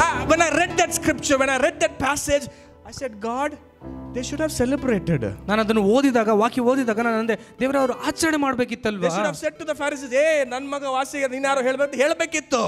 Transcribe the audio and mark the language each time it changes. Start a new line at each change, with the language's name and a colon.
English: When I read that scripture, when I read that passage, I said, God, they should have celebrated.
Kannada: ನಾನು ಅದನ್ನು ಓದಿದಾಗ, ವಾಕ್ಯ ಓದಿದಾಗ ನಾನು ಅಂದೆ, ದೇವರ ಅವರು ಆಚರಣೆ ಮಾಡ್ಬೇಕಿತ್ತಲ್ವಾ.
English: They should have said to the Pharisees, hey,
Kannada: ನನ್ನ ಮಗ ವಾಸಿ, ನೀನು ಯಾರು ಹೇಳ್ಬೇಕು ಹೇಳ್ಬೇಕಿತ್ತು.